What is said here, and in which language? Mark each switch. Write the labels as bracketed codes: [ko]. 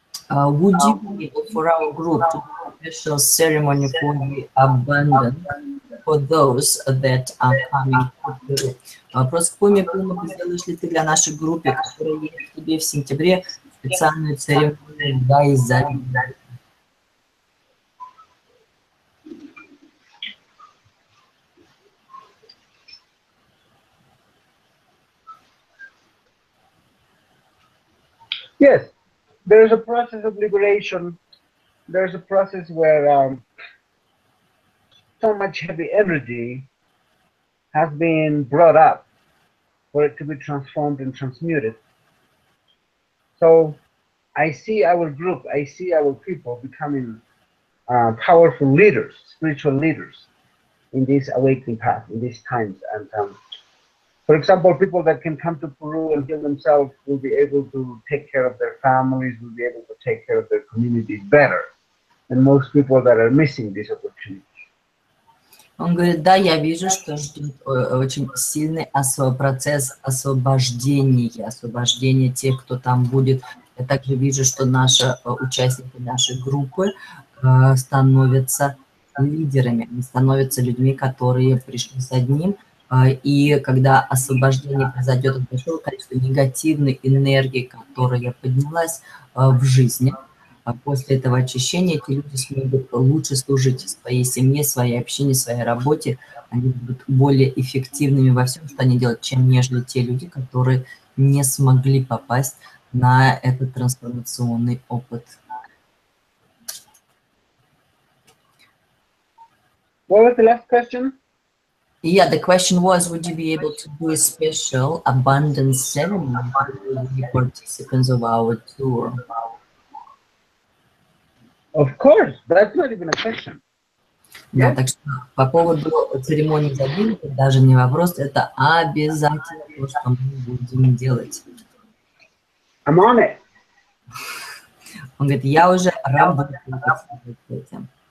[en] Would you be able for our group to do a special ceremony for the abundance for those that are coming through? [ru] Вопрос к Пуме. Пума, сделаешь ли ты для нашей группы, которая едет к тебе в сентябре, специальную церемонию, да, и за меня? [en] Yes. There is a process of liberation. There is a process where so much heavy energy has been brought up for it to be transformed and transmuted. So I see our group, I see our people becoming powerful leaders, spiritual leaders in this awakening path, in these times. And for example, people that can come to Peru and heal themselves will be able to take care of their families, will be able to take care of their communities better than most people that are missing this opportunity. [ru] Он говорит, да, я вижу, что ждет очень сильный процесс освобождения, освобождения тех, кто там будет. Я также вижу, что наши участники нашей группы становятся лидерами, становятся людьми, которые пришли с одним. И когда освобождение произойдет, большое количество негативной энергии, которая поднялась в жизни, после этого очищения эти люди смогут лучше служить своей семье, своей общине, своей работе. Они будут более эффективными во всем, что они делают, чем нежели те люди, которые не смогли попасть на этот трансформационный опыт. [en] What was the last question? Yeah, the question was, would you be able to do a special abundance ceremony for the participants of our tour? Of course, that's not even a question. [ru] Да, так что по поводу церемонии забыли, это даже не вопрос, это обязательно то, что мы будем делать. [en] I'm on it. [ru] Он говорит, я уже работаю над этим.